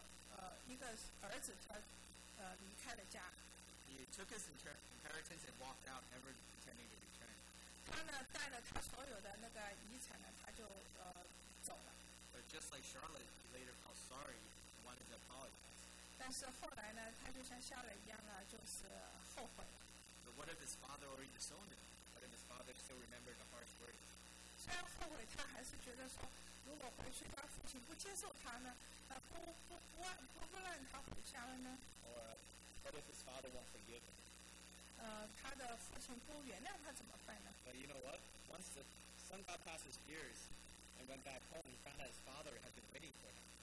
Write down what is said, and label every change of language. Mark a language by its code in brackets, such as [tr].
[zh] 那之前呢，这个圣经里面讲到，就说这个一个儿子他离开了家。 [en] He took his inheritance and walked out, never intending to return. [zh] 他呢，带了他所有的那个遗产呢，他就走了。 [en] But just like Charlotte, he later felt sorry and wanted to apologize. [zh] 但是后来呢，他就像夏洛一样呢，就是后悔。 [en] But what if his father already disowned him? What if his father still remembered the harsh words? [zh] 虽然后悔，他还是觉得说，如果回去他父亲不接受他呢，不让他回家了呢？ [en] Or what if his father won't forgive him? [zh] 他的父亲不原谅他怎么办呢？ [en] But you know what? Once the son got past his fears and went back home, he found that his father had been waiting for him.